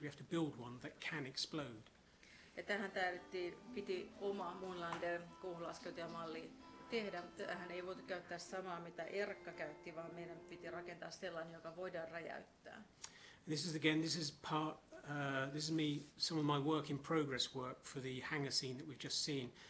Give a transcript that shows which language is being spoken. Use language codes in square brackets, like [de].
[en] We have to build one that can explode. [fi] Ja tähän tarvittiin, piti oma Moonlander kohulaskeutujamalli tehdä. Tähän ei voitu käyttää samaa, mitä Erkka käytti, vaan meidän piti rakentaa sellainen, joka voidaan räjäyttää. [en] This is again, this is part, this is me, some of my work in progress work for the hangar scene that we've just seen.